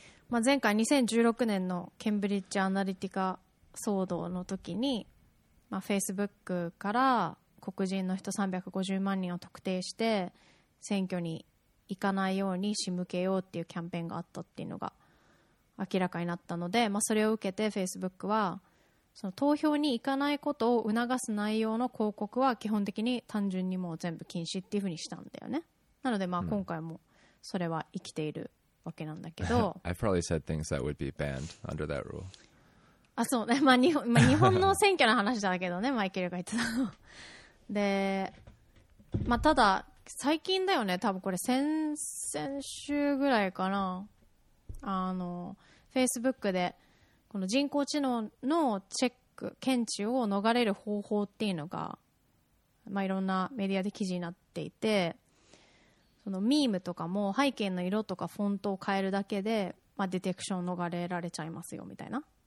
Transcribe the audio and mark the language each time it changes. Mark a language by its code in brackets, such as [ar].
[ja] まあ前回2016年のケンブリッジアナリティカ騒動の時に、まあ、Facebook から黒人の人350万人を特定して選挙に行かないように仕向けようっていうキャンペーンがあったっていうのが明らかになったので、まあ、それを受けて Facebook はその投票に行かないことを促す内容の広告は基本的に単純にもう全部禁止っていうふうにしたんだよね。なのでまあ今回もそれは生きているわけなんだけど、 [en] I probably said things that would be banned under that rule. [ja] あ、そうね、まあ日本の選挙の話だけどね、マイケルが言ってたの。で、まあただ最近だよね、多分これ先々週ぐらいかな、あの Facebook でこの人工知能のチェック検知を逃れる方法っていうのが、まあ、いろんなメディアで記事になっていて、そのミームとかも背景の色とかフォントを変えるだけで、まあ、ディテクション逃れられちゃいますよみたいな、